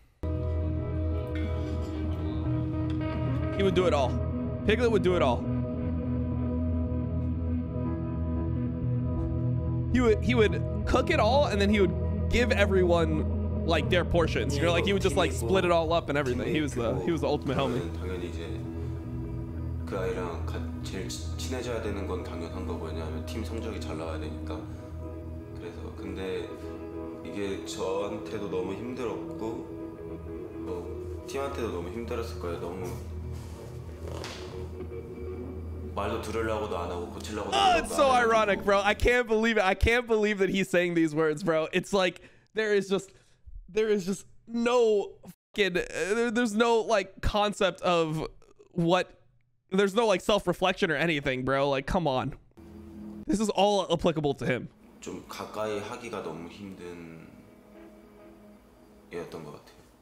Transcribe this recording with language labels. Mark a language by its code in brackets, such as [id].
[en] He would do it all. Piglet would do it all. He would cook it all, and then he would give everyone like their portions. You know, like he would just like split it all up and everything. He was the ultimate homie. [ko] 그 아이랑 제일 친해져야 되는 건 당연한 거 뭐냐면 팀 성적이 잘 나와야 되니까 그래서 근데 이게 저한테도 너무 힘들었고 뭐 팀한테도 너무 힘들었을 거예요 너무 말도 들으려고도 안 하고 고치려고도 [en] 안 하고 It's so ironic, bro. I can't believe it. I can't believe that he's saying these words, bro. It's like there is just no fucking there's no like concept of what There's no like self-reflection or anything, bro. Like, come on. This is all applicable to him. [ko] 좀 가까이 하기가 너무 힘든 이었던 것 같아요.